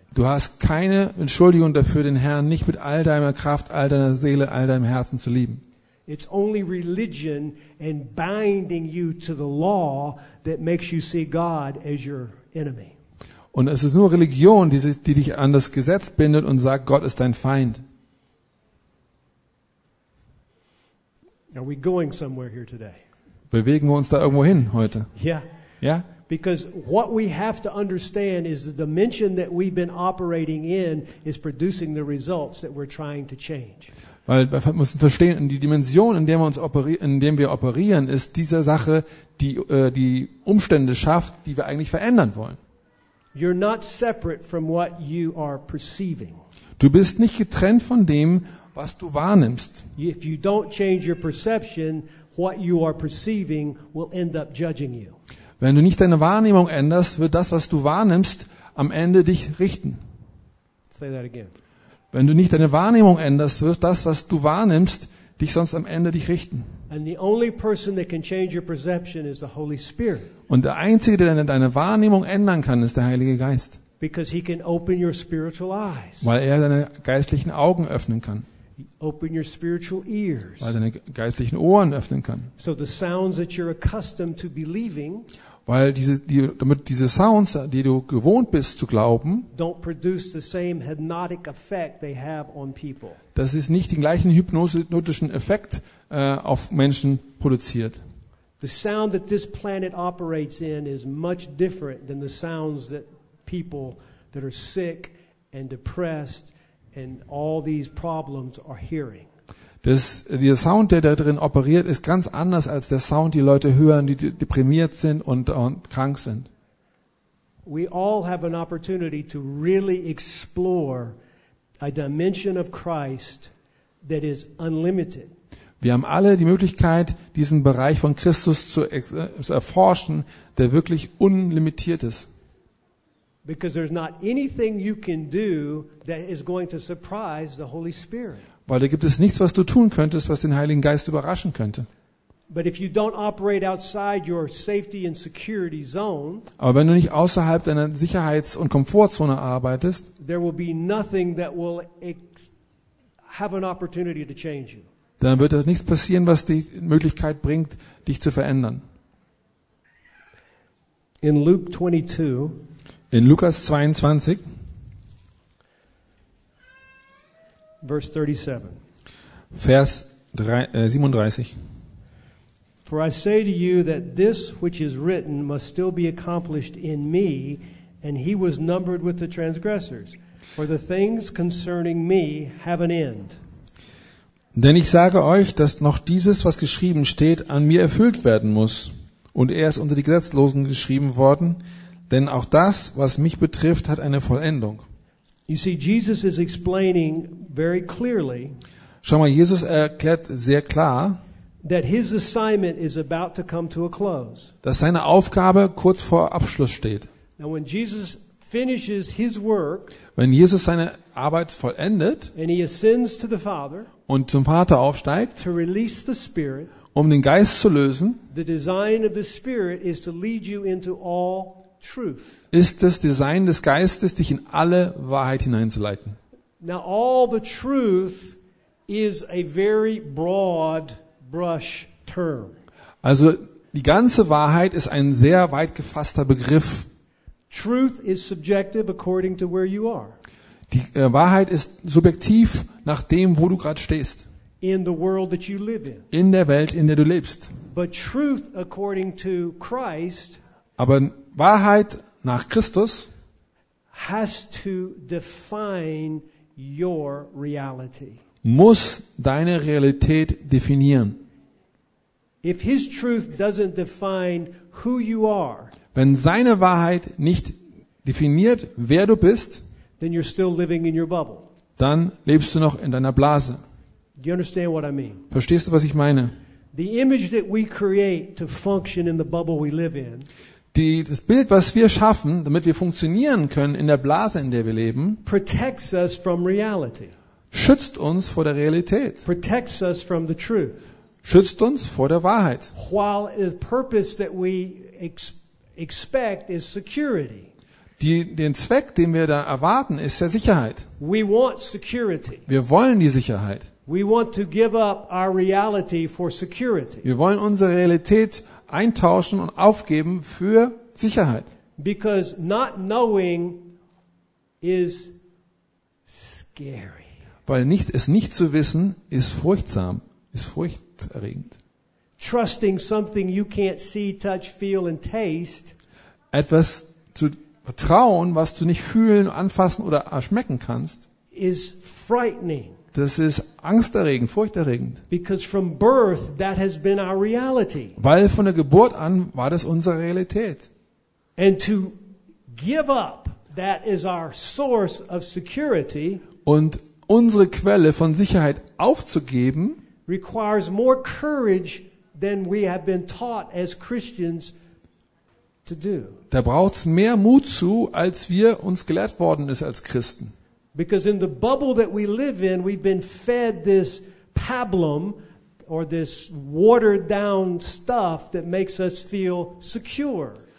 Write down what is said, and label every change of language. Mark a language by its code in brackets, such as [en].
[de] Du hast keine Entschuldigung dafür, den Herrn nicht mit all deiner Kraft, all deiner Seele, all deinem Herzen zu lieben. [en] It's only religion and binding you to the law that makes you see God as your enemy. [de] Und es ist nur Religion, die dich an das Gesetz bindet und sagt, Gott ist dein Feind. [en] Are we going somewhere here today? [de] Bewegen wir uns da irgendwo hin heute? [en] Yeah. Yeah? Because what we have to understand is the dimension that we've been operating in is producing the results that we're trying to change. [de] Weil wir müssen verstehen, die Dimension, in der wir operieren, ist diese Sache, die Umstände schafft, die wir eigentlich verändern wollen. [en] You're not separate from what you are perceiving. [de] Du bist nicht getrennt von dem, was du wahrnimmst. [en] If you don't change your perception, what you are perceiving will end up judging you. [de] Wenn du nicht deine Wahrnehmung änderst, wird das, was du wahrnimmst, am Ende dich richten. [en] Say that again. [de] Wenn du nicht deine Wahrnehmung änderst, wird das, was du wahrnimmst, dich sonst am Ende dich richten. [en] And the only person that can change your perception is the Holy Spirit. [de] Und der Einzige, der deine Wahrnehmung ändern kann, ist der Heilige Geist. [en] Because he can open your spiritual eyes. [de] Weil er deine geistlichen Augen öffnen kann. [en] Open your spiritual ears. [de] Weil er deine geistlichen Ohren öffnen kann. [en] So the sounds that you're accustomed to believing, [de] weil diese Sounds, die du gewohnt bist zu glauben, [en] don't produce the same hypnotic effect they have on people. [de] Das ist nicht den gleichen hypnotischen Effekt auf Menschen produziert. [en] The sound that this planet operates in is much different than the sounds that people that are sick and depressed and all these problems are hearing. [de] Der Sound, der da drin operiert, ist ganz anders als der Sound, die Leute hören, die deprimiert sind und krank sind. [en] We all have an opportunity to really explore a dimension of Christ that is unlimited. [de] Wir haben alle die Möglichkeit, diesen Bereich von Christus zu erforschen, der wirklich unlimitiert ist. [en] Because there's not anything you can do that is going to surprise the Holy Spirit. [de] Weil da gibt es nichts, was du tun könntest, was den Heiligen Geist überraschen könnte. [en] But if you don't operate outside your safety and security zone, [de] aber wenn du nicht außerhalb deiner Sicherheits- und Komfortzone arbeitest, [en] there will be nothing that will have an opportunity to change you. [de] Dann wird das nichts passieren, was die Möglichkeit bringt, dich zu verändern. [en] In Luke 22, [de] in Lukas 22, [en] Verse 37. [de] Vers 37. [en] For I say to you that this which is written must still be accomplished in me, and he was numbered with the transgressors. For the things concerning me have an end. [de] Denn ich sage euch, dass noch dieses, was geschrieben steht, an mir erfüllt werden muss. Und er ist unter die Gesetzlosen geschrieben worden. Denn auch das, was mich betrifft, hat eine Vollendung. [en] You see, Jesus is explaining very clearly. [de] Schau mal, Jesus erklärt sehr klar, [en] that his assignment is about to come to a close. [de] Dass seine Aufgabe kurz vor Abschluss steht. [en] Now, when Jesus finishes his work, [de] wenn Jesus seine Arbeit vollendet, [en] and he ascends to the Father, [de] und zum Vater aufsteigt, [en] to release the Spirit, [de] um den Geist zu lösen, [en] the design of the Spirit is to lead you into all truth. [de] Ist das Design des Geistes, dich in alle Wahrheit hineinzuleiten? [en] Now all the truth is a very broad brush term. [de] Also die ganze Wahrheit ist ein sehr weit gefasster Begriff. [en] Truth is subjective according to where you are. [de] Die Wahrheit ist subjektiv nach dem, wo du gerade stehst. [en] In the world that you live in. [de] In der Welt, in der du lebst. [en] But truth according to Christ. [de] Aber Wahrheit nach Christus [en] has to define your reality. [de] Muss deine Realität definieren. [en] If his truth doesn't define who you are, [de] Wenn seine Wahrheit nicht definiert, wer du bist, [en] then you're still living in your bubble. [de] Dann lebst du noch in deiner Blase. [en] Do you understand what I mean? [de] Verstehst du, was ich meine? [en] The image that we create to function in the bubble we live in. [de] Das Bild, was wir schaffen, damit wir funktionieren können in der Blase, in der wir leben, [en] protects us from reality. [de] Schützt uns vor der Realität. [en] Protects us from the truth. [de] Schützt uns vor der Wahrheit. [en] While the purpose that we expect is security. [de] Den Zweck, den wir da erwarten, ist ja Sicherheit. [en] We want security. [de] Wir wollen die Sicherheit. [en] We want to give up our reality for security. [de] Wir wollen unsere Realität eintauschen und aufgeben für Sicherheit. [en] Because not knowing is scary. [de] Weil es nicht zu wissen ist furchtsam, ist furchterregend. [en] Trusting something you can't see, touch, feel and taste. [de] Etwas zu vertrauen, was du nicht fühlen, anfassen oder schmecken kannst, [en] is frightening. [de] Das ist angsterregend, furchterregend. [en] Because from birth that has been our reality. [de] Weil von der Geburt an war das unsere Realität. [en] And to give up that is our source of security. [de] Und unsere Quelle von Sicherheit aufzugeben, [en] requires more courage than we have been taught as Christians to do. [de] Da braucht's mehr Mut zu, als wir uns gelehrt worden ist als Christen. [en] Because in the bubble that we live in, we've been fed this pablum or this watered down stuff that makes us feel secure.